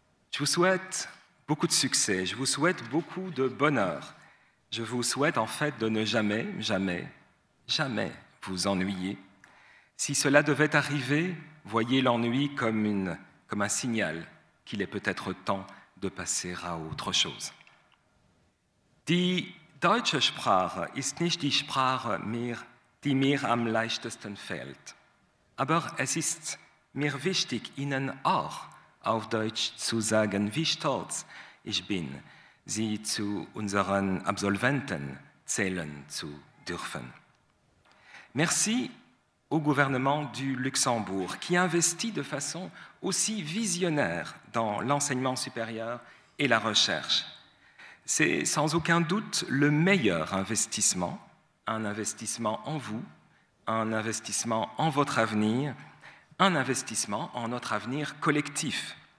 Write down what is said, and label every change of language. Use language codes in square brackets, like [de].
[fr] Je vous souhaite beaucoup de succès, je vous souhaite beaucoup de bonheur. Je vous souhaite en fait de ne jamais, jamais, jamais vous ennuyer. Si cela devait arriver, voyez l'ennui comme un signal qu'il est peut-être temps de passer à autre chose. [de] Die deutsche Sprache ist nicht die Sprache, die mir am leichtesten fällt. Aber es ist mir wichtig, Ihnen auch auf Deutsch zu sagen, wie stolz ich bin, Sie zu unseren Absolventen zählen zu dürfen. [fr] Merci au gouvernement du Luxembourg qui investit de façon aussi visionnaire dans l'enseignement supérieur et la recherche. C'est sans aucun doute le meilleur investissement, un investissement en vous, un investissement en votre avenir, un investissement en notre avenir collectif.